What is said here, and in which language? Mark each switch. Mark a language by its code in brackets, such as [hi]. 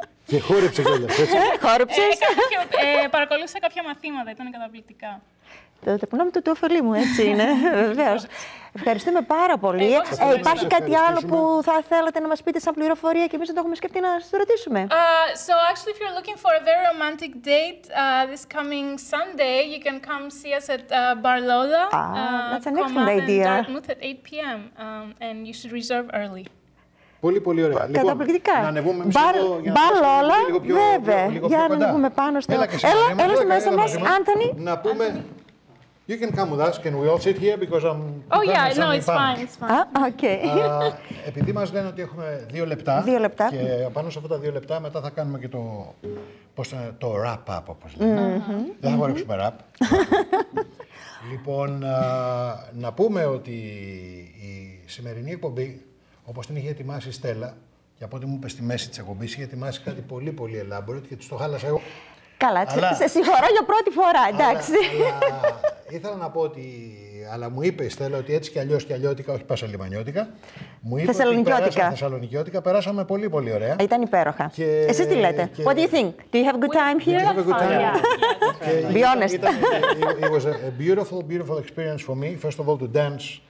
[el] Και χόρεψε κιόλας, έτσι. Χόρεψε. Παρακολούθησα κάποια μαθήματα, ήταν καταπληκτικά. Τα πουλάμε το τούφελί μου, έτσι είναι, βεβαίως. Ευχαριστούμε πάρα πολύ. Υπάρχει κάτι άλλο που θα θέλατε να μας πείτε σαν πληροφορία και εμείς δεν το έχουμε σκεφτεί να σας ρωτήσουμε? [en] So actually, if you're looking for a very romantic date this coming Sunday, you can come see us at Bar Lola. That's an excellent idea. Dartmouth at 8 p.m. And you should reserve early. [el] Πολύ, πολύ ωραία. Καταπληκτικά. Λοιπόν, να ανεβούμε εμείς εδώ για να σας πούμε λίγο πιο κοντά. Βέβαια. Για να ανεβούμε πάνω στο... Έλα στη μέσα μας, Άνθονι. Να πούμε... [en] You can come with us. Can we all sit here? Because I'm... Oh, yeah. No, it's fine. It's fine. Okay. [el] Επειδή μας λένε ότι έχουμε δύο λεπτά... Δύο λεπτά. Και πάνω σε αυτά τα δύο λεπτά, μετά θα κάνουμε και το... Πώς θα είναι, το wrap-up, όπως λέμε. Mm-hmm. Δεν θα χορέψουμε rap. Λοιπόν, να πούμε ότι η σημερινή εκπομπή, όπως την είχε ετοιμάσει η Στέλλα, και από ό,τι μου είπε στη μέση της εκπομπής, είχε ετοιμάσει κάτι πολύ, πολύ elaborate και τους το χάλασα εγώ. Καλά, αλλά... σε συγχωρώ για πρώτη φορά, εντάξει. Ήθελα να πω ότι, αλλά μου είπε η Στέλλα ότι έτσι κι αλλιώς και αλλιώτικα, όχι πασαλιμανιώτικα, μου είπε Θεσσαλονικιώτικα. Θεσσαλονικιώτικα, περάσαμε πολύ, πολύ ωραία. Ήταν υπέροχα. Και... Εσείς τι λέτε? Και... [en] What do you think? Do you have a good time here? We have a good time. Be honest. It was a beautiful, beautiful experience for me, first of all, to dance.